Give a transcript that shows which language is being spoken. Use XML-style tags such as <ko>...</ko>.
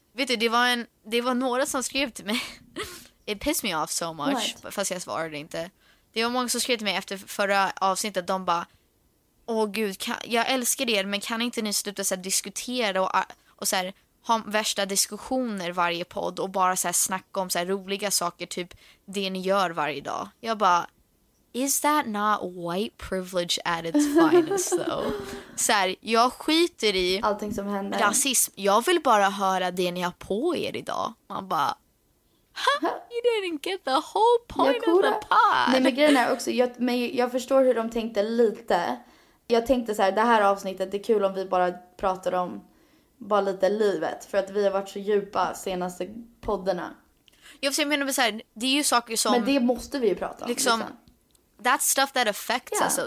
<sv>Vet du, det var några som skrev till mig.</sv> <en>It pissed me off so much. What?</en> <sv>Fast jag svarade inte. Det var många som skrev till mig efter förra avsnittet. De bara... Åh gud, jag älskar er, men kan inte ni sluta så här, diskutera och så här, ha värsta diskussioner varje podd och bara så här, snacka om så här, roliga saker, typ det ni gör varje dag? Jag bara,</sv> <en>is that not white privilege at its finest though?</en> <sv>Så här, jag skiter i allting som händer. Rasism, jag vill bara höra det ni har på er idag. Man bara...</sv> <en>You didn't get the whole point of the pod.</en> <sv>Nej, men grejen är också, jag förstår hur de tänkte lite. Jag tänkte så här, det här avsnittet, det är kul om vi bara pratar om bara lite livet. För att vi har varit så djupa senaste poddarna. Jag menar, så här, det är ju saker som... Men det måste vi ju prata om. Liksom,</sv> <en>that's stuff that affects us.</en>